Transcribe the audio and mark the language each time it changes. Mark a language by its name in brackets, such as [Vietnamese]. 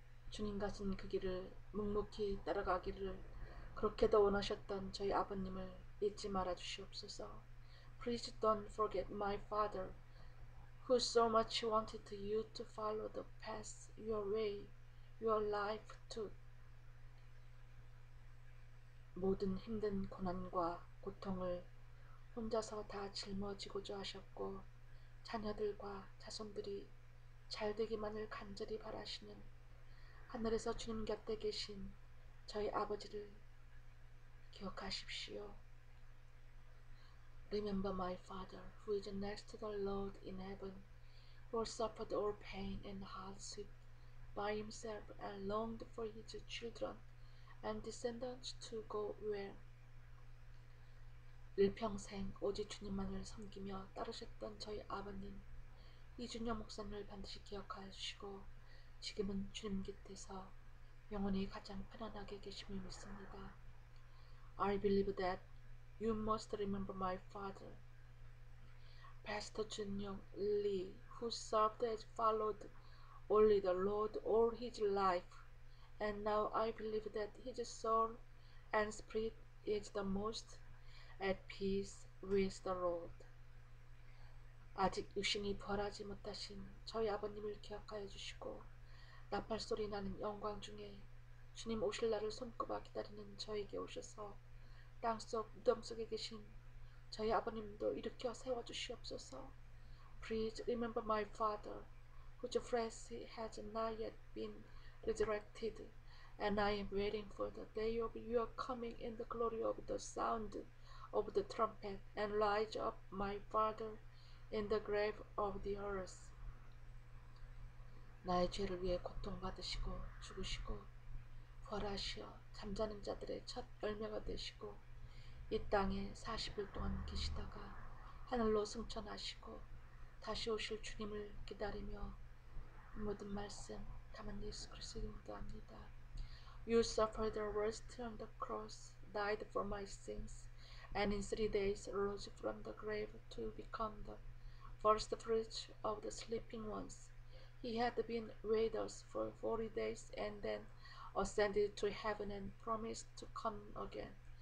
[Korean] 주님 가신 그 길을 묵묵히 따라가기를 그렇게도 원하셨던 저희 아버님을 잊지 말아 주시옵소서. [English] Please don't forget my father, who so much wanted you to follow the path, your way, your life too. [Korean] 모든 힘든 고난과 고통을 혼자서 다 짊어지고자 하셨고, 자녀들과 자손들이 잘 되기만을 간절히 바라시는 하늘에서 주님 곁에 계신 저희 아버지를 기억하십시오. [English] Remember my father, who is next to the Lord in heaven, who suffered all pain and hardship by himself and longed for his children and descendants to go where. [Korean] 일평생 오직 주님만을 섬기며 따르셨던 저희 아버님, 이준영 목사님을 반드시 기억하시고 지금은 주님 곁에서 영원히 가장 편안하게 계심을 믿습니다. [English] I believe that you must remember my father, Pastor Junyoung Lee, who served and followed only the Lord all his life. And now I believe that his soul and spirit is the most at peace with the Lord. [Korean] 아직 육신이 부활하지 못하신 저희 아버님을 기억하여 주시고 나팔소리 나는 영광 중에 주님 오실 날을 손꼽아 기다리는 저에게 오셔서 땅속 무덤 속에 계신 저희 아버님도 일으켜 세워주시옵소서. [English] Please remember my father, whose flesh has not yet been resurrected, and I am waiting for the day of your coming in the glory of the sound of the trumpet and rise of my father in the grave of the earth. [Korean] 나의 죄를 위해 고통받으시고 죽으시고 부활하시어 잠자는 자들의 첫 열매가 되시고 이 땅에 40일 동안 계시다가 하늘로 승천하시고 다시 오실 주님을 기다리며 모든 말씀 담은 예수 그리스도를 기도합니다. [English] You suffered the worst on the cross, died for my sins, and in 3 days rose from the grave to become the first fruits of the sleeping ones. He had been with us for 40 days and then ascended to heaven and promised to come again.